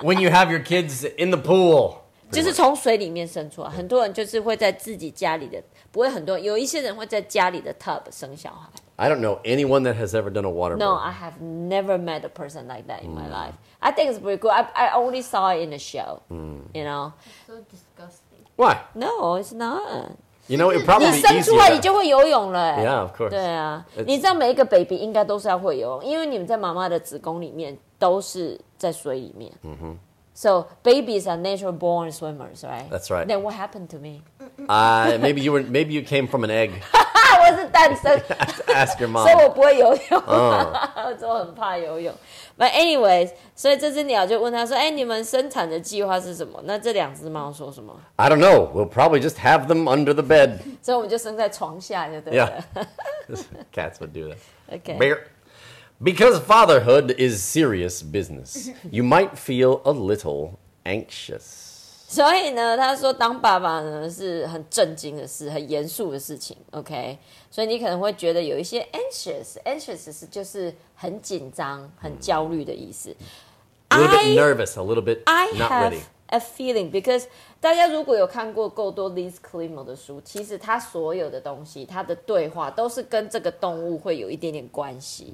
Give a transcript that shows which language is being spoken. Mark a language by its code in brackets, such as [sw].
[en] When you have your kids in the pool. [zh] 就是从水里面生出来。很多人就是会在自己家里的，不会很多，有一些人会在家里的 tub 生小孩。 [en] I don't know anyone that has ever done a water birth. No, I have never met a person like that in my life. I think it's pretty good. I only saw it in a show, you know. It's so disgusting. Why? No, it's not. You know, it probably be easier. [zh] 你生出来你就会游泳了、欸。 [en] Yeah, of course. [zh] 对啊。It's... 你知道每一个 baby 应该都是要会游泳，因为你们在妈妈的子宫里面都是在水里面。 [en] So babies are natural born swimmers, right? That's right. Then what happened to me? Maybe you came from an egg. [zh] 我是诞生。 [en] Ask your mom. [zh] 所以我不会游泳。我就很怕游泳。 [en] But anyways, [zh] 所以这只鸟就问他说，哎，你们生产的计划是什么？那这两只猫说什么？ [en] I don't know. We'll probably just have them under the bed. [zh] 所以我们就生在床下就对了。 [en] Yeah. Cats would do that. Okay. Bear. Because fatherhood is serious business, you might feel a little anxious. [zh] 所以呢，他说当爸爸呢是很正经的事，很严肃的事情。 OK， 所以你可能会觉得有一些 anxious. Anxious 是就是很紧张、很焦虑的意思。 [en] A little bit nervous, a little bit I not have ready. A feeling because [zh] 大家如果有看过够多 Liz Climo 的书，其实他所有的东西，他的对话都是跟这个动物会有一点点关系。